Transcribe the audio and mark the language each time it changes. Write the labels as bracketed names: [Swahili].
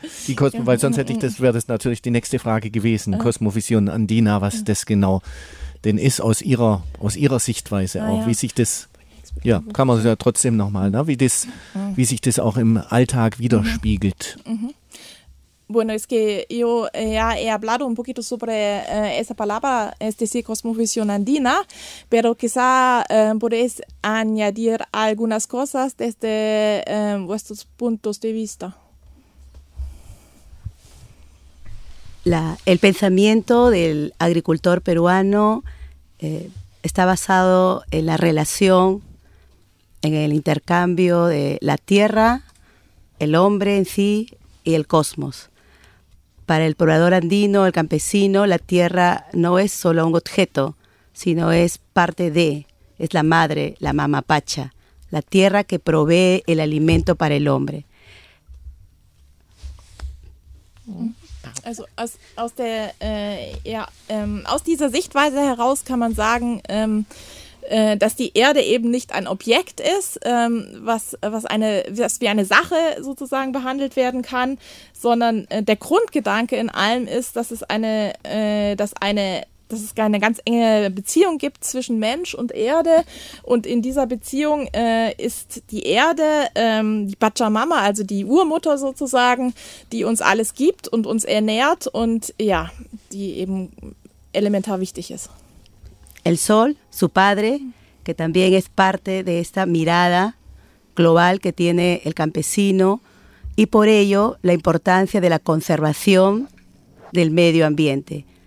[German] Die Cosmo, weil sonst hätte ich das, wäre das natürlich die nächste Frage gewesen, Cosmovision Andina, was das genau denn ist aus ihrer Sichtweise auch, wie sich das, ja, kann man ja trotzdem nochmal, ne? Wie sich das auch im Alltag widerspiegelt. [Spanish] Bueno, es que yo ya he hablado un poquito sobre esa palabra, es decir, cosmovisión andina, pero quizá podéis añadir algunas cosas desde vuestros puntos de vista. El pensamiento del agricultor peruano está basado en la relación, en el intercambio de la tierra, el hombre en sí y el cosmos. Para el poblador andino, el campesino, la tierra no es solo un objeto, sino es parte de, es la madre, la mama pacha, la tierra que provee el alimento para el hombre. [German] Also aus dieser Sichtweise heraus kann man sagen, dass die Erde eben nicht ein Objekt ist, was wie eine Sache sozusagen behandelt werden kann, sondern der Grundgedanke in allem ist, dass es eine ganz enge Beziehung gibt zwischen Mensch und Erde. Und in dieser Beziehung ist die Erde, die Pachamama, also die Urmutter sozusagen, die uns alles gibt und uns ernährt und ja, die eben elementar wichtig ist. [Spanish] El sol, su padre, que también es parte de esta mirada global que tiene el campesino y por ello la importancia de la conservación del medio ambiente.